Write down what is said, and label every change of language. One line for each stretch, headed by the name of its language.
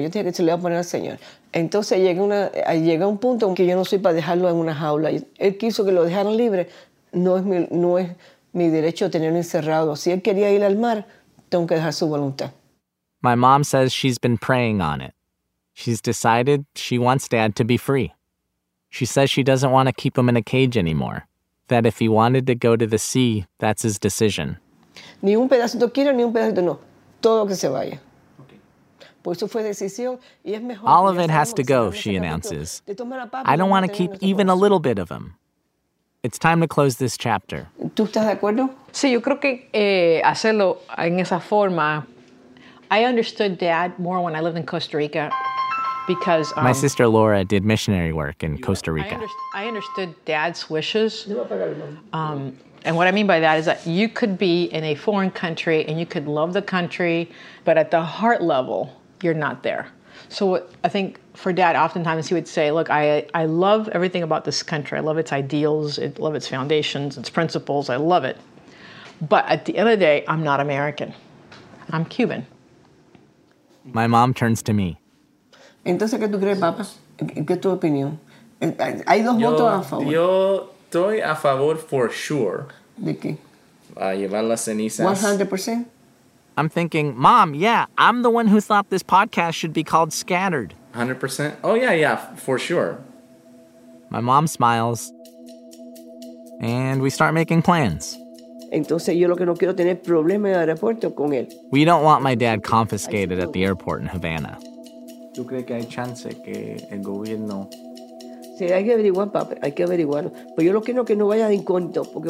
Spanish: Yo dije que se le iba a poner al Señor. Entonces llegué a un punto en que yo no soy para dejarlo en una jaula. Él quiso que lo dejaran libre. No es mi derecho tenerlo encerrado. Si él quería ir al mar, tengo que dejar su voluntad.
English: My mom says she's been praying on it. She's decided she wants Dad to be free. She says she doesn't want to keep him in a cage anymore. That if he wanted to go to the sea, that's his decision.
Spanish: Ni un pedacito quiero, ni un pedacito no. Todo que se vaya. Okay. Por eso fue decisión y es mejor.
English: All of it has to go, she announces. I don't want to keep even a little bit of him. It's time to close this chapter.
Spanish: ¿Tú estás de acuerdo? Sí, yo creo que hacerlo en esa forma.
English: I understood Dad more when I lived in Costa Rica because my sister Laura did missionary work in Costa Rica. I understood Dad's wishes. And what I mean by that is that you could be in a foreign country and you could love the country, but at the heart level, you're not there. So what I think for Dad, oftentimes he would say, look, I love everything about this country. I love its ideals, I love its foundations, its principles, I love it. But at the end of the day, I'm not American. I'm Cuban. My mom turns to me.
Spanish: Entonces, ¿qué tú crees, papá? ¿Qué es tu opinión? Hay dos votos a favor. Yo estoy a favor
English: for sure.
Spanish: ¿De qué? A llevar las cenizas. 100%.
English: I'm thinking, Mom, yeah, I'm the one who thought this podcast should be called Scattered. 100%? Oh, yeah, yeah, for sure. My mom smiles. And we start making plans.
Spanish: Entonces yo lo que no quiero tener problemas en el aeropuerto con él.
English: We don't want my dad confiscated at the airport in Havana.
Spanish: ¿Tú crees que hay chance que el gobierno...? Sí, hay que averiguar, papá, hay que averiguarlo. Pero yo lo quiero que no vaya de incógnito, porque